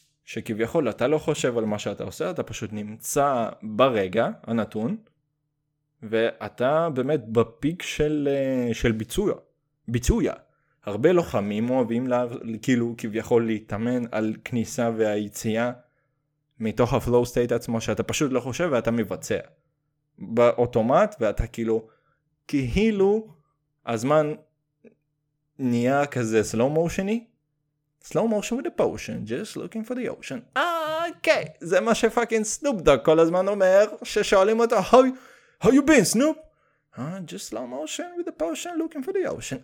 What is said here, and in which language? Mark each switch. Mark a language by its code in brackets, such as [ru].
[he] שכביכול אתה לא חושב על מה שאתה עושה, אתה פשוט נמצא ברגע הנתון, ואתה באמת בפיק של ביצויה. ביצויה. הרבה לוחמים אוהבים כאילו כביכול להתאמן על כניסה והיציאה מתוך הפלואו סטייט עצמו, שאתה פשוט לא חושב ואתה מבצע. באוטומט, ואתה כאילו הזמן נהיה כזה סלו מושני, [en] slow motion with the potion, just looking for the ocean. [he] אוקיי, זה מה שפאקינג סנופ דוג כל הזמן אומר, ששואלים אותו, [en] how you been, [he] סנופ? [en] Just slow motion with the potion, looking for the ocean.